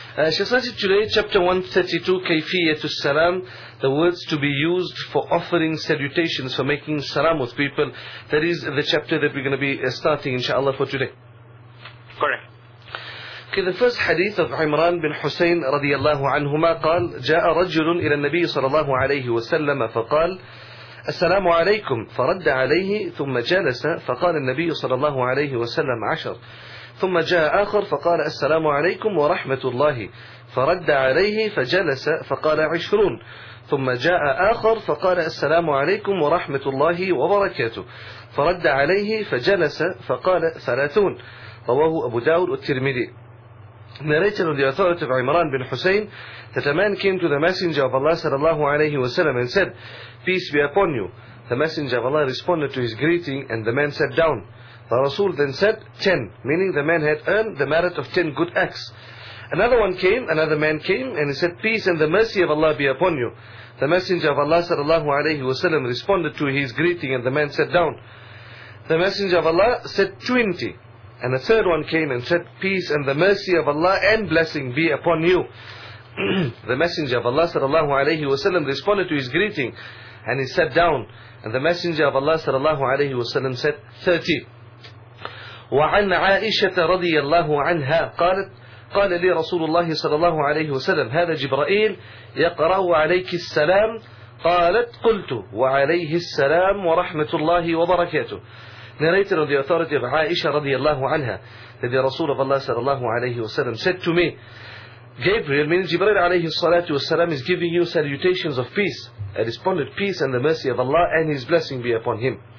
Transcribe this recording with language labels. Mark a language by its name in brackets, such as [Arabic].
[English] Sheikh Sajid, today chapter 132 [Arabic] كيفيه السلام, [English] the words to be used for offering salutations, for making salam with people, that is the chapter that we're going to be starting inshallah for today. Correct. Okay, the first hadith of Imran bin Hussein [Arabic] رضي الله عنهما قال جاء رجل الى النبي صلى الله عليه وسلم فقال السلام عليكم, فرد عليه ثم جلس, فقال النبي صلى الله عليه وسلم عشر, ثم جاء آخر فقال السلام عليكم ورحمة الله, فرد عليه فجلس فقال عشرون, ثم جاء آخر فقال السلام عليكم ورحمة الله وبركاته, فرد عليه فجلس فقال ثلاثون. رواه أبو داود والترمذي. [English] Narrated on the authority of Imran bin Hussein that a man came to the Messenger of Allah sallallahu alayhi wa sallam and said, peace be upon you. The Messenger of Allah responded to his greeting and the man sat down. The Rasul then said, 10, meaning the man had earned the merit of 10 good acts. Another man came, and he said, peace and the mercy of Allah be upon you. The Messenger of Allah sallallahu alayhi wa sallam responded to his greeting, and the man sat down. The Messenger of Allah said, 20, and a third one came and said, peace and the mercy of Allah and blessing be upon you. The Messenger of Allah sallallahu alayhi wa sallam responded to his greeting, and he sat down. And the Messenger of Allah sallallahu alayhi wa sallam said, 30. [Arabic] وعن عائشة رضي الله عنها قالت قال لي رسول الله صلى الله عليه وسلم هذا جبرائيل يقرأ عليك السلام, قالت قلت وعليه السلام ورحمة الله وبركاته. [English] Narrated on the authority of عائشة [Arabic] رضي الله عنها [English] that the رسول of Allah [Arabic] صلى الله عليه وسلم [English] said to me, Gabriel, meaning Jibreel [Arabic] عليه الصلاة والسلام, [English] is giving you salutations of peace. I responded, peace and the mercy of Allah and his blessing be upon him.